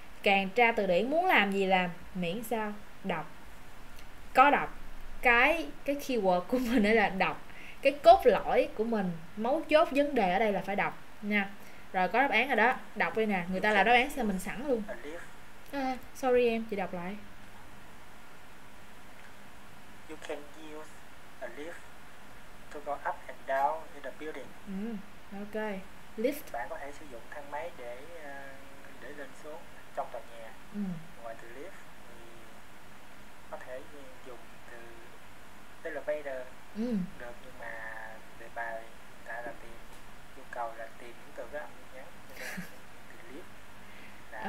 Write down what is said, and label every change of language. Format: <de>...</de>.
<vi>Càng tra từ điển, muốn làm gì làm. Miễn sao? Đọc. Có đọc cái keyword của mình là đọc. Cái cốt lõi của mình, mấu chốt vấn đề ở đây là phải đọc nha. Rồi có đáp án rồi đó. Đọc đi nè, người ta làm đáp án xem mình sẵn luôn. Sorry em, chị đọc lại.</vi> <en>You can use a lift to go up and down in the building. Ok, lift.</en> <vi>Bạn có thể sử dụng thang máy để lên xuống trong tòa nhà. Ngoài từ lift thì có thể dùng từ elevator. Được, nhưng mà đề bài đã là tìm, yêu cầu là tìm những từ có âm nhắn từ clip là</vi>